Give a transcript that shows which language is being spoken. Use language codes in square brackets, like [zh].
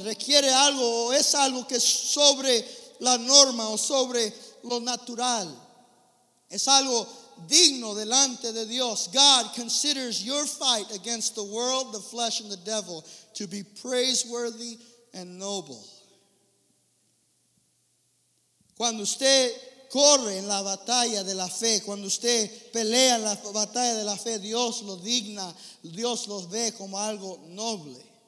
[es] Requiere algo, o es algo que es sobre la norma o sobre lo natural. Es algo digno delante de Dios. [en] God considers your fight against the world, the flesh, and the devil to be praiseworthy and noble. [es] Cuando usted corre en la batalla de la fe, cuando usted pelea en la batalla de la fe, Dios lo digna, Dios lo ve como algo noble.